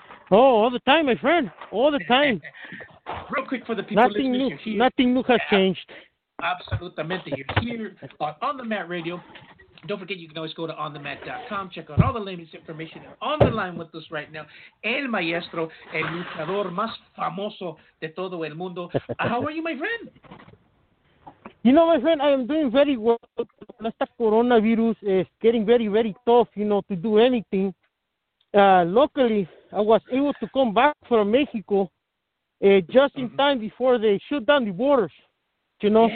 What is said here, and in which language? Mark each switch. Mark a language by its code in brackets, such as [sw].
[en] Oh, all the time, my friend. All the time. Real quick, quick for the people nothing listening. Nothing new has changed. Absolutamente. You're here on the Mat Radio. Don't forget, you can always go to onthemat.com, check out all the latest information on the line with us right now. [es] El maestro, el luchador más famoso de todo el mundo. [en] How are you, my friend? You know, my friend, I am doing very well. The coronavirus is getting very, very tough, you know, to do anything. Luckily, I was able to come back from Mexico just in time before they shut down the borders, you know?